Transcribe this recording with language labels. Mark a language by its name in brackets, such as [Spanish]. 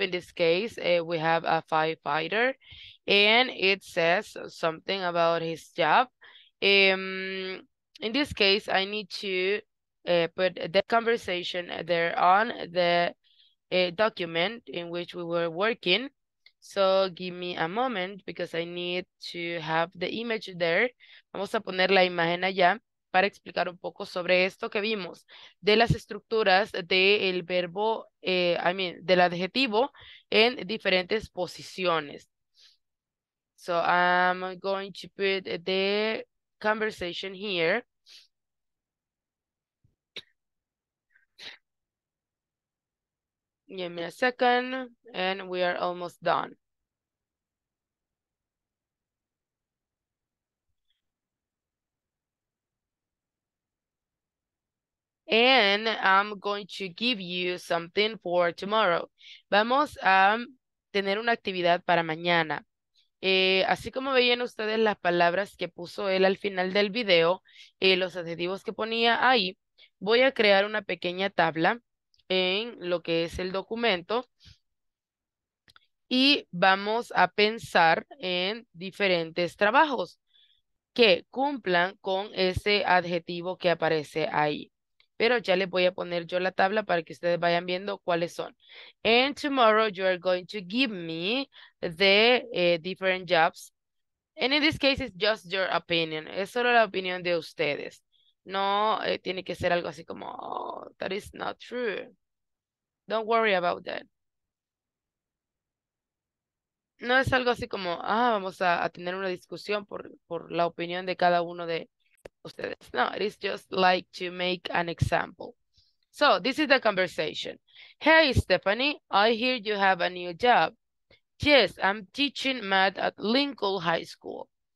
[English] In this case, we have a firefighter, and it says something about his job. In this case, I need to put the conversation there on the document in which we were working. So give me a moment because I need to have the image there. [Spanish] Vamos a poner la imagen allá para explicar un poco sobre esto que vimos de las estructuras del verbo, del adjetivo en diferentes posiciones. [English] So I'm going to put the conversation here. Give me a second, and we are almost done. And I'm going to give you something for tomorrow. [Spanish] Vamos a tener una actividad para mañana. Así como veían ustedes las palabras que puso él al final del video, los adjetivos que ponía ahí, voy a crear una pequeña tabla en lo que es el documento y vamos a pensar en diferentes trabajos que cumplan con ese adjetivo que aparece ahí. Pero ya les voy a poner yo la tabla para que ustedes vayan viendo cuáles son. [English] And tomorrow you are going to give me the different jobs. And in this case, it's just your opinion. [Spanish] Es solo la opinión de ustedes. No, tiene que ser algo así como, oh, [English] that is not true. Don't worry about that. [Spanish] No es algo así como, ah, vamos a tener una discusión por la opinión de cada uno de ustedes. [English] No, it is just like to make an example. So, this is the conversation. Hey, Stephanie, I hear you have a new job. Yes, I'm teaching math at Lincoln High School.